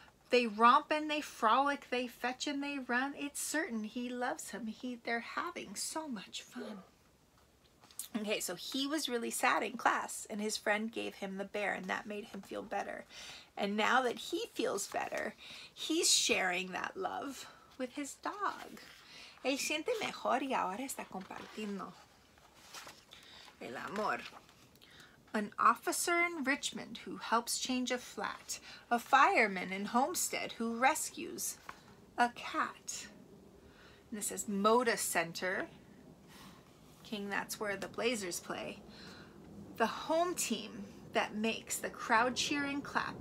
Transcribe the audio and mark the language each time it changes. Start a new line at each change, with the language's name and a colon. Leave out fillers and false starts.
English: They romp and they frolic, they fetch and they run. It's certain he loves him. They're having so much fun. Okay, so he was really sad in class and his friend gave him the bear and that made him feel better. And now that he feels better, he's sharing that love with his dog.
Spanish: Él siente mejor y ahora está compartiendo el amor.
English: An officer in Richmond who helps change a flat. A fireman in Homestead who rescues a cat. And this is Moda Center. King, that's where the Blazers play. The home team that makes the crowd cheer and clap.